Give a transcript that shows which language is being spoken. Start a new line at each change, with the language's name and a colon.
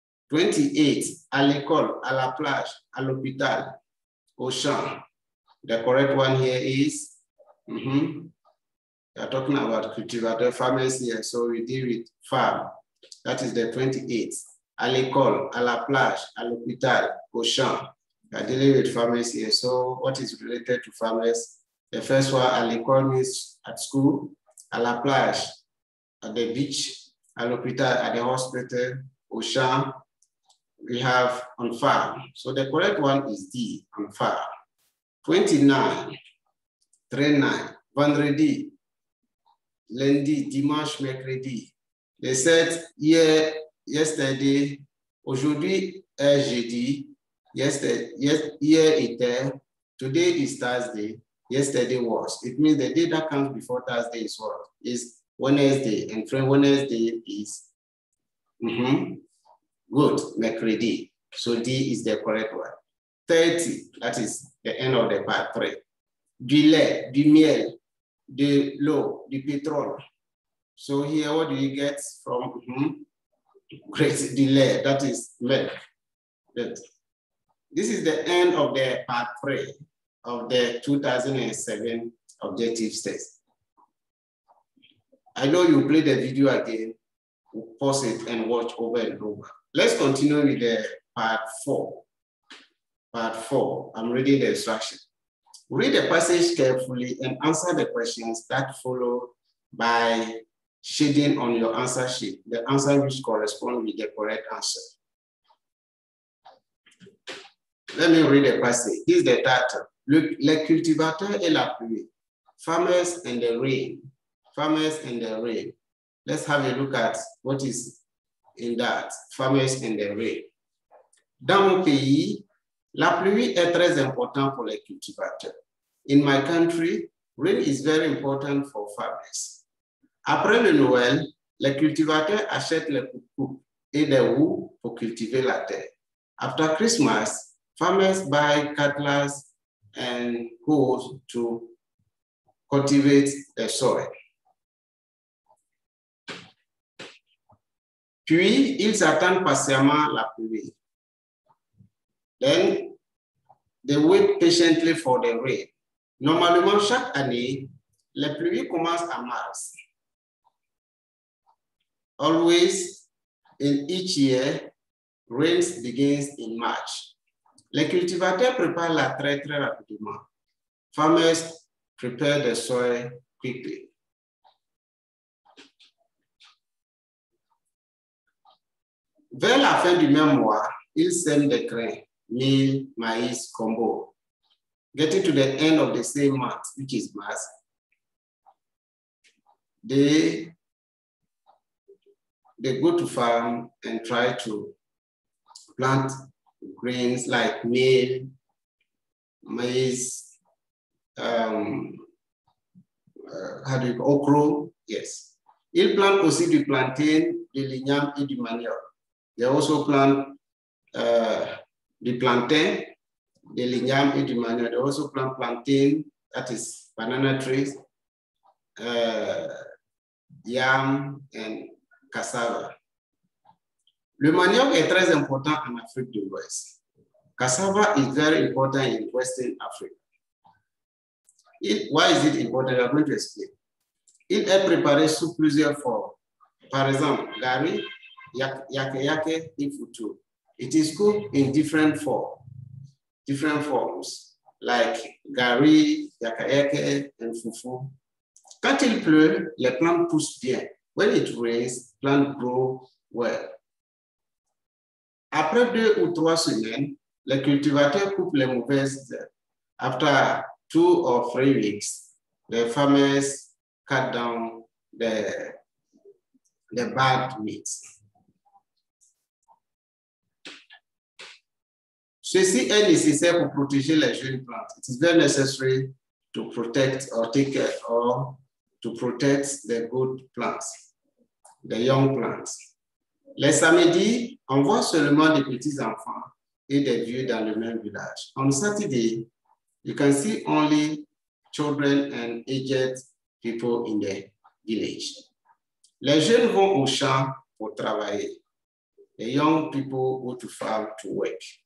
French: 28, à l'école, à la plage, à l'hôpital, au champ.
English: The correct one here is? You are talking about cultivator farmers here, so we deal with farm. That is the 28.
French: À l'école, à la plage, à l'hôpital, au champ.
English: We are dealing with farmers here, so what is related to farmers? The first one,
French: à l'école
English: means at school,
French: à la plage,
English: at the beach,
French: à l'hôpital,
English: at the hospital,
French: au champ.
English: We have on farm. So the correct one is D, on farm.
French: 29, vendredi, lundi, dimanche, mercredi.
English: They said
French: hier,
English: yesterday,
French: aujourd'hui, jeudi, hier était,
English: today is Thursday, yesterday was. It means the day that comes before Thursday is what? Is Wednesday, and from Wednesday is, good,
French: mercredi.
English: So D is the correct one. 30, that is the end of the part three.
French: Du lait, du miel, de l'eau, du pétrole.
English: So here, what do you get from great
French: du lait,
English: that is milk. This is the end of the part three of the 2007 objective test. I know you play the video again, pause it and watch over and over. Let's continue with the part four. Part four, I'm reading the instruction. Read the passage carefully and answer the questions that follow by shading on your answer sheet, the answer which corresponds with the correct answer. Let me read the passage. This is the title. Look,
French: le cultivateur et la pluie.
English: Farmers and the rain. Farmers and the rain. Let's have a look at what is in that. Farmers and the rain.
French: Dans mon pays, la pluie est très importante pour les cultivateurs.
English: In my country, rain is very important for farmers.
French: Après le Noël, les cultivateurs achètent les coupes et les roues pour cultiver la terre.
English: After Christmas, farmers buy cutlers and hoes to cultivate the soil.
French: Puis, ils attendent patiemment la pluie.
English: Then, they wait patiently for the rain.
French: Normalement, chaque année, la pluie commence en mars.
English: Always, in each year, rains begins in March.
French: Les cultivateurs préparent la terre très rapidement.
English: Farmers prepare the soil quickly.
French: Vers la fin du même mois, ils sèment des grains. Meal, maïs, combo.
English: Getting to the end of the same month, which is mars, they go to farm and try to plant grains like meal, maïs, okra, yes.
French: Ils plantent aussi du plantain, du ligname et du manioc.
English: They also plant the plantain, the ligname
French: et du manioc.
English: They also plant plantain, that is banana trees, yam and cassava.
French: Le manioc est très important en Afrique de l'Ouest.
English: Cassava is very important in Western Africa. Why is it important? I'm going to explain.
French: Il est préparé sous plusieurs formes. Par exemple, gari, yake, et futu.
English: It is cooked in different forms, like gari, yakayake, and fufu.
French: Quand il pleut, les plantes poussent bien.
English: When it rains, plants grow well.
French: Après deux ou trois semaines, les cultivateurs coupent les mauvaises herbes.
English: After 2 or 3 weeks, the farmers cut down the bad meat.
French: Ceci est nécessaire pour protéger les jeunes plantes.
English: It is very necessary to protect or take care or to protect the good plants, the young plants.
French: Les samedis, on voit seulement des petits enfants et des vieux dans le même village.
English: On Saturday, you can see only children and aged people in the village.
French: Les jeunes vont au champ pour travailler.
English: The young people go to farm to work.